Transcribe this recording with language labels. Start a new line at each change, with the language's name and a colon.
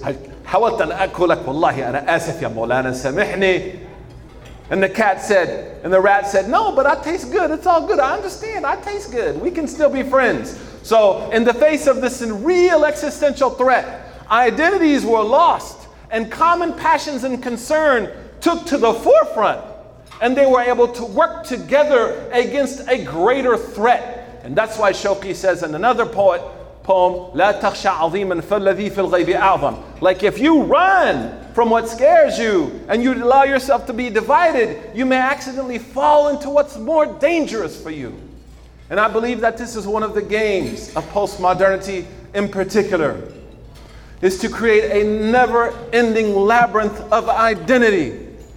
English: And the cat said, and the rat said, no, but I taste good. It's all good. I understand. I taste good. We can still be friends. So in the face of this real existential threat, identities were lost and common passions and concern took to the forefront, and they were able to work together against a greater threat. And that's why Shawqi says in another poem,
Arabic: لا تخشى عظيما فالذي في الغيب أعظم.
English: Like if you run from what scares you and you allow yourself to be divided, you may accidentally fall into what's more dangerous for you. And I believe that this is one of the games of postmodernity in particular, is to create a never-ending labyrinth of identity